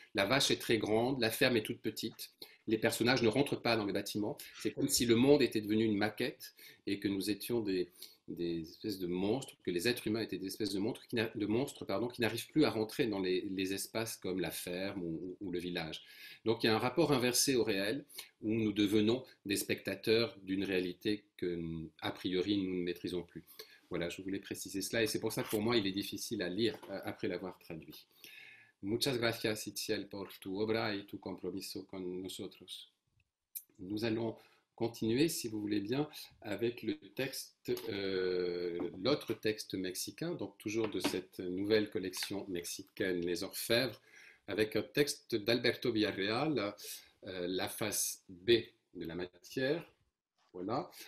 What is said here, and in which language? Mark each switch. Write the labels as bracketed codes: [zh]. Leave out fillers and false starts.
[fr] La vache est très grande, la ferme est toute petite, les personnages ne rentrent pas dans les bâtiments, c'est comme si le monde était devenu une maquette et que nous étions des espèces de monstres, que les êtres humains étaient des espèces de monstres, qui n'arrivent plus à rentrer dans les espaces comme la ferme ou le village. Donc il y a un rapport inversé au réel, où nous devenons des spectateurs d'une réalité que, a priori, nous ne maîtrisons plus. Voilà, je voulais préciser cela, et c'est pour ça que pour moi, il est difficile à lire après l'avoir traduit. [es] Muchas gracias, Itziel, por tu obra y tu compromiso con nosotros. [fr] Nous allons continuer, si vous voulez bien, avec le texte, l'autre texte mexicain, donc toujours de cette nouvelle collection mexicaine, Les Orfèvres, avec un texte d'Alberto Villarreal, La face B de la matière. Voilà.